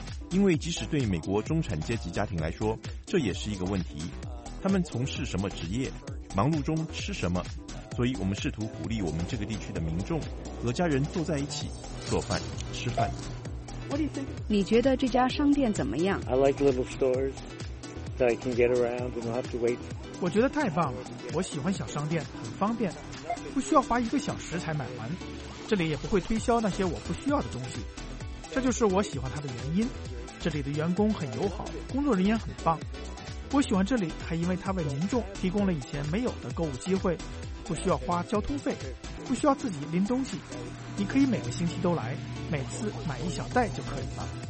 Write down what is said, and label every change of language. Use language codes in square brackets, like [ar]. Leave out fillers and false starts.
[zh] 因为即使对美国中产阶级家庭来说，这也是一个问题。他们从事什么职业，忙碌中吃什么，所以我们试图鼓励我们这个地区的民众和家人坐在一起做饭吃饭。你觉得这家商店怎么样？ [en] I like little stores so I can get around and not have to wait. [zh] 我觉得太棒了，我喜欢小商店，很方便，不需要花一个小时才买完，这里也不会推销那些我不需要的东西，这就是我喜欢它的原因。这里的员工很友好，工作人员很棒，我喜欢这里还因为它为民众提供了以前没有的购物机会，不需要花交通费，不需要自己拎东西，你可以每个星期都来，每次买一小袋就可以了。